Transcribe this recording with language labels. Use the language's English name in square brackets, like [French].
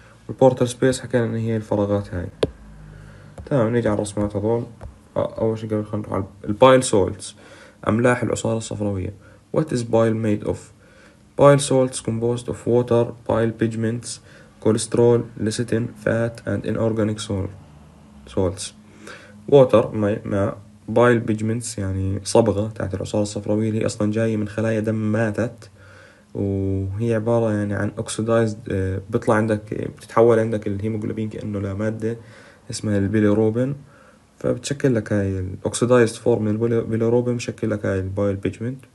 [Arabic] البورتال سبيس حكينا ان هي الفراغات هاي. تمام، نيجي على الرسمات هذول. اول شيء قبل خلينا نروح على البايل سولتس، املاح العصارة الصفراوية. [English] What is bile made of؟ Bile salts composed of water, bile pigments, cholesterol, lecithin, fat and inorganic salts. [Arabic] Water ماء، bile pigments يعني صبغة تاعت العصارة الصفراوية اللي أصلا جاية من خلايا دم ماتت، وهي عبارة يعني عن oxidized، بيطلع عندك بتتحول عندك الهيموغلوبين كأنه لمادة اسمها البيليروبين، فبتشكل لك هاي الأكسيدايزد فورم من البيليروبين، بشكل لك هاي البايل بيجمنت.